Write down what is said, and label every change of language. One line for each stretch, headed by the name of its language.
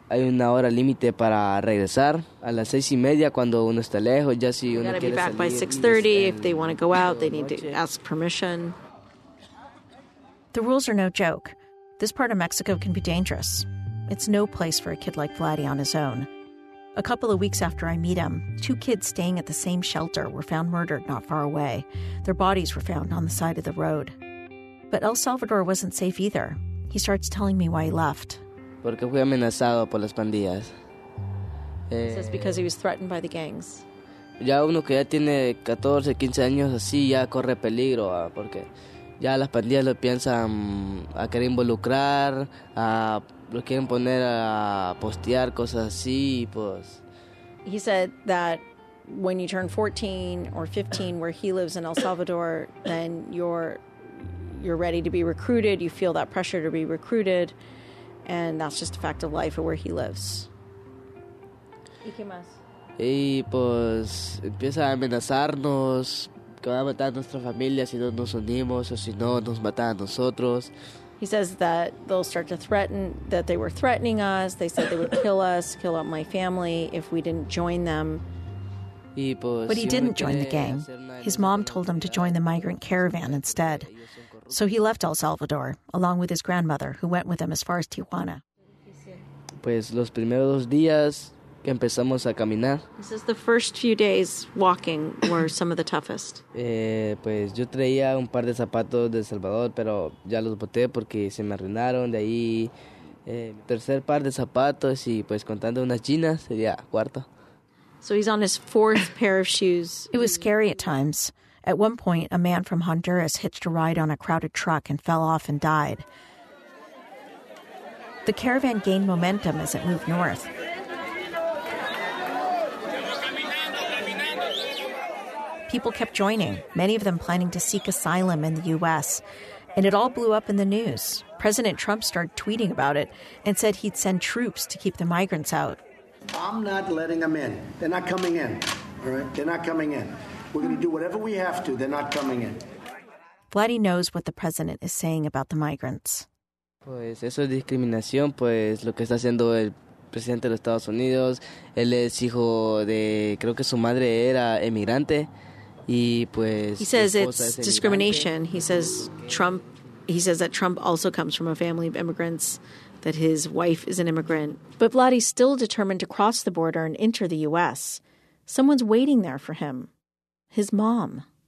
Spanish: Hay una hora límite para regresar a las 6:30 cuando uno está lejos. Ya si uno quiere salir.
English: By 6:30, if they want to go out, they need to ask permission. The rules are no joke. This part of Mexico can be dangerous. It's no place for a kid like Vladdy on his own. A couple of weeks after I meet him, two kids staying at the same shelter were found murdered not far away. Their bodies were found on the side of the road. But El Salvador wasn't safe either. He starts telling me why he left.
Spanish: Porque fui amenazado por las pandillas.
English: He says because he was threatened by the gangs.
Spanish: Ya uno que ya tiene 14, 15 años así ya corre peligro, porque ya las pandillas lo piensan a querer involucrar, a lo quieren poner a postear cosas así, pues.
English: He said that when you turn 14 or 15, where he lives in El Salvador, then you're ready to be recruited. You feel that pressure to be recruited, and that's just a fact of life of where he lives.
Spanish: ¿Y qué más? Y pues empieza a amenazarnos que va a matar a nuestra familia si no nos unimos o si no nos mata a nosotros.
English: He says that they'll start to threaten, that they were threatening us. They said they would kill us, kill out my family if we didn't join them. But he didn't join the gang. His mom told him to join the migrant caravan instead. So he left El Salvador, along with his grandmother, who went with him as far as Tijuana.
Spanish: Pues los primeros dos días que empezamos a caminar.
English: He says the first few days walking were some of the toughest.
Spanish: Pues yo traía un par de zapatos de Salvador, pero ya los boté porque se me arruinaron. De ahí, tercer par de zapatos y pues contando unas chinas sería cuarto.
English: So he's on his fourth pair of shoes. It was scary at times. At one point, a man from Honduras hitched a ride on a crowded truck and fell off and died. The caravan gained momentum as it moved north. People kept joining, many of them planning to seek asylum in the U.S. And it all blew up in the news. President Trump started tweeting about it and said he'd send troops to keep the migrants out. I'm not letting them in. They're not coming in. All right? They're not coming in. We're going to do whatever we have to. They're not coming in. Vladdy knows what the president is saying about the migrants.
Spanish: Pues eso es discriminación, pues lo que está haciendo el presidente de los Estados Unidos. Él es hijo de, creo que su madre era emigrante. Y pues,
English: he says it's discrimination. He says Trump. He says that Trump also comes from a family of immigrants, that his wife is an immigrant. But Vladdy's still determined to cross the border and enter the U.S. Someone's waiting there for him. His mom.